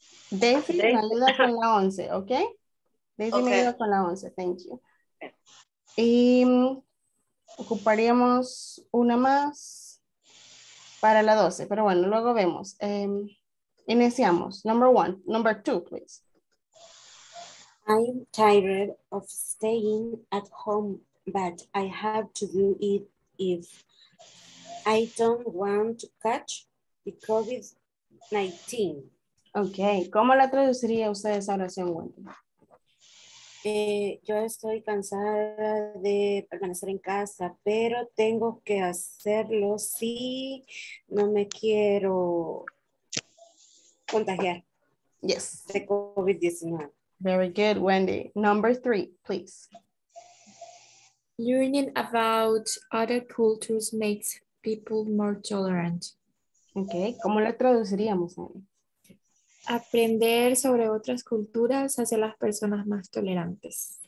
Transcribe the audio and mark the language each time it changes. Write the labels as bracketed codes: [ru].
[es] Daisy me ayuda con la 11, ¿ok? Daisy okay. Me ayuda con la 11, [en] thank you. [es] Y ocuparíamos una más para la 12, pero bueno, luego vemos. Iniciamos. [en] Number one. Number two, please. I'm tired of staying at home, but I have to do it if I don't want to catch the COVID-19. [es] Okay. ¿Cómo la traduciría usted esa oración, Wendy? Yo estoy cansada de permanecer en casa, pero tengo que hacerlo si no me quiero contagiar. [en] Yes. [es] De COVID-19. [en] Very good, Wendy. Number three, please. Learning about other cultures makes people more tolerant. [es] Okay. ¿Cómo lo traduciríamos, Wendy? Aprender sobre otras culturas hace las personas más tolerantes.